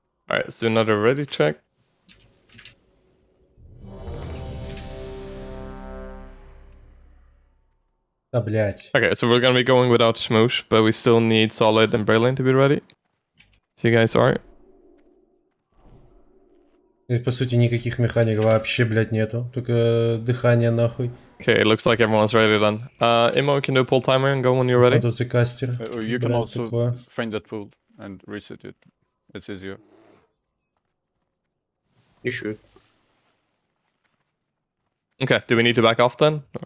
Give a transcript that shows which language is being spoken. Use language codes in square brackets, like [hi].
[en] Alright, let's do another ready check. Okay, so we're gonna be going without Shmoosh, but we still need Solid and Braylon to be ready. If you guys are. [ru] Здесь по сути никаких механик вообще, блять, нету. Только дыхание нахуй. [en] Okay, it looks like everyone's ready then. Imo, you can do a pull timer and go when you're ready. [ru] Тут же кастер. [en] You can also find that pool and reset it. It's easier. Issue. Okay, do we need to back off then?